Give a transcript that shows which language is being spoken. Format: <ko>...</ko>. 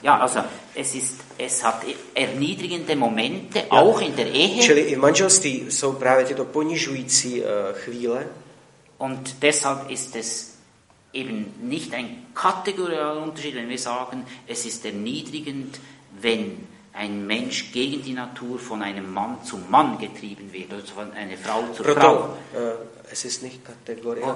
<de>Ja, also es hat erniedrigende Momente, ja, auch in der Ehe.</de> <cs>Čili i v manželství jsou právě tyto ponižující chvíle.</cs> <de>Und deshalb ist es eben nicht ein kategorialer Unterschied, wenn wir sagen, es ist erniedrigend, wenn ein Mensch gegen die Natur von einem Mann zu Mann getrieben wird oder von einer Frau zu</de> <cs>Proto,</cs> <de>Frau. Es ist nicht kategorial.</de>